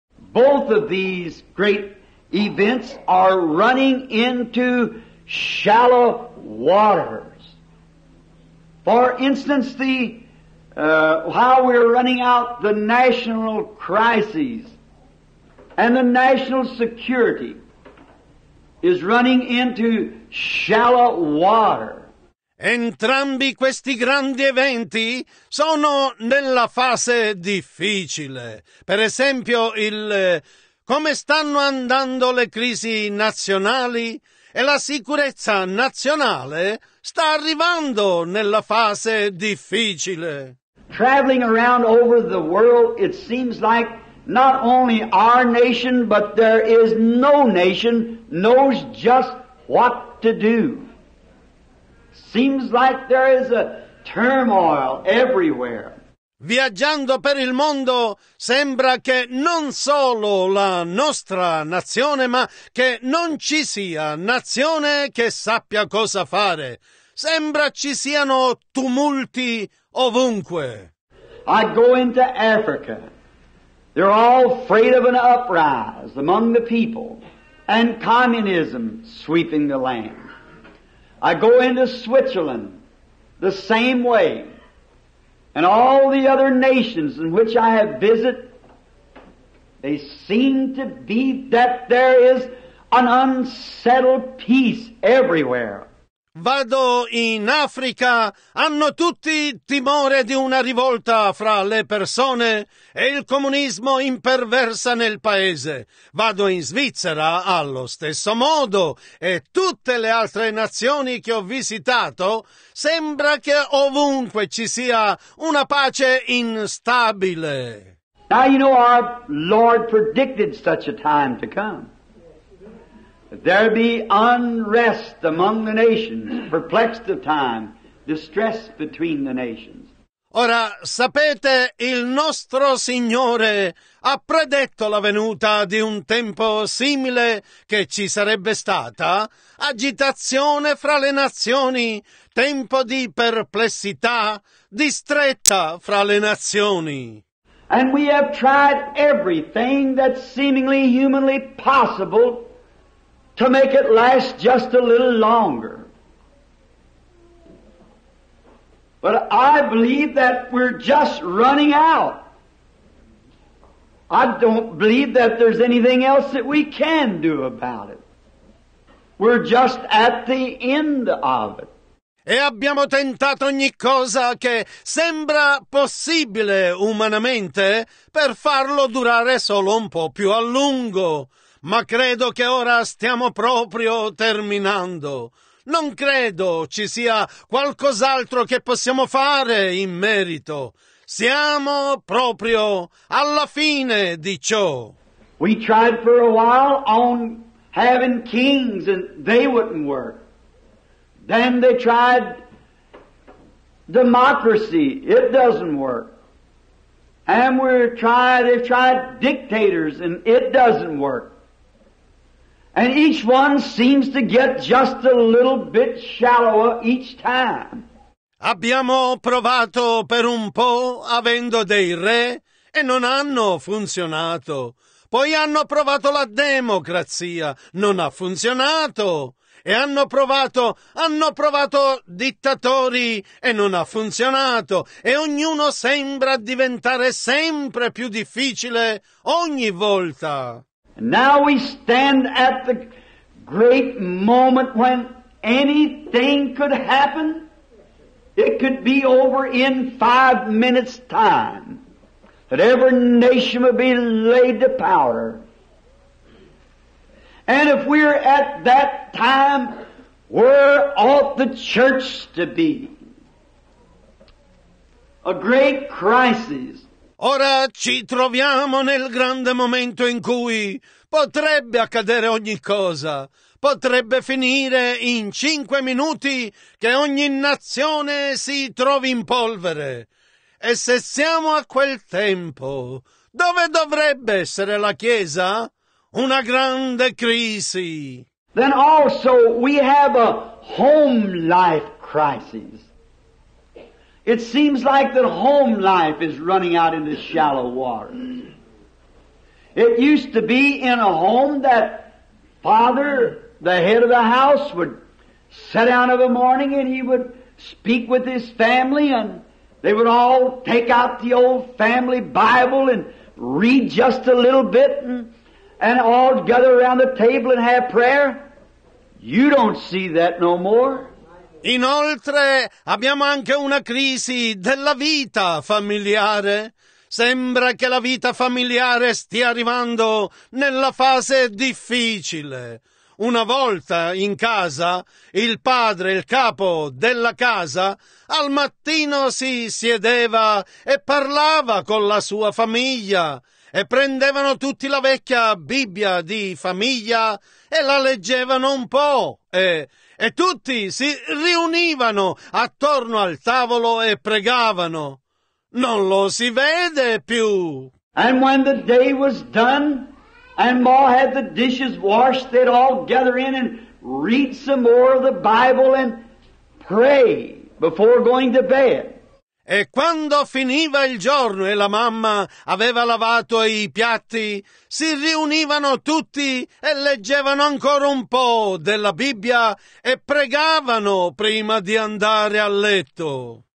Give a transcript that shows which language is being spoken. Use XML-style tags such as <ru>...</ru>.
<en>Both of these great events are running into shallow waters. For instance, how we're running out the national crises and the national security is running into shallow water.</en> <it>Entrambi questi grandi eventi sono nella fase difficile. Per esempio, come stanno andando le crisi nazionali e la sicurezza nazionale sta arrivando nella fase difficile.</it> <en>Traveling around over the world, it seems like not only our nation, but there is no nation knows just what to do. Seems like there is a turmoil everywhere.</en> <it>Viaggiando per il mondo, sembra che non solo la nostra nazione, ma che non ci sia nazione che sappia cosa fare. Sembra ci siano tumulti ovunque.</it> <en>I go into Africa. They're all afraid of an uprise among the people and communism sweeping the land. I go into Switzerland the same way, and all the other nations in which I have visited, they seem to be that there is an unsettled peace everywhere.</en> <it>Vado in Africa, hanno tutti timore di una rivolta fra le persone e il comunismo imperversa nel paese. Vado in Svizzera allo stesso modo e tutte le altre nazioni che ho visitato, sembra che ovunque ci sia una pace instabile.</it> <en>Now you know our Lord predicted such a time to come. There be unrest among the nations, perplexed of time, distress between the nations.</en> <it>Ora, sapete, il nostro Signore ha predetto la venuta di un tempo simile che ci sarebbe stata, agitazione fra le nazioni, tempo di perplessità, distretta fra le nazioni.</it> <en>And we have tried everything that's seemingly humanly possible to make it last just a little longer. But I believe that we're just running out. I don't believe that there's anything else that we can do about it. We're just at the end of it.</en> <it>E abbiamo tentato ogni cosa che sembra possibile umanamente per farlo durare solo un po' più a lungo. Ma credo che ora stiamo proprio terminando. Non credo ci sia qualcos'altro che possiamo fare in merito. Siamo proprio alla fine di ciò.</it> <en>We tried for a while on having kings and they wouldn't work. Then they tried democracy. It doesn't work. And they've tried dictators and it doesn't work. And each one seems to get just a little bit shallower each time.</en> <it>Abbiamo provato per un po' avendo dei re e non hanno funzionato. Poi hanno provato la democrazia, non ha funzionato. E hanno provato dittatori e non ha funzionato. E ognuno sembra diventare sempre più difficile ogni volta.</it> <en>Now we stand at the great moment when anything could happen. It could be over in 5 minutes' time. That every nation would be laid to powder. And if we're at that time, where ought the church to be? A great crisis.</en> <it>Ora ci troviamo nel grande momento in cui potrebbe accadere ogni cosa. Potrebbe finire in 5 minuti che ogni nazione si trovi in polvere. E se siamo a quel tempo, dove dovrebbe essere la Chiesa? Una grande crisi.</it> <en>Then also we have a home life crisis. It seems like that home life is running out into shallow waters. It used to be in a home that father, the head of the house, would sit down of a morning and he would speak with his family and they would all take out the old family Bible and read just a little bit and all gather around the table and have prayer. You don't see that no more.</en> <it>Inoltre, abbiamo anche una crisi della vita familiare. Sembra che la vita familiare stia arrivando nella fase difficile. Una volta in casa, il padre, il capo della casa, al mattino si siedeva e parlava con la sua famiglia e prendevano tutti la vecchia Bibbia di famiglia e la leggevano un po' e tutti si riunivano attorno al tavolo e pregavano. Non lo si vede più.</it> <en>And when the day was done and Ma had the dishes washed, they'd all gather in and read some more of the Bible and pray before going to bed.</en> <it>E quando finiva il giorno e la mamma aveva lavato i piatti, si riunivano tutti e leggevano ancora un po' della Bibbia e pregavano prima di andare a letto.</it>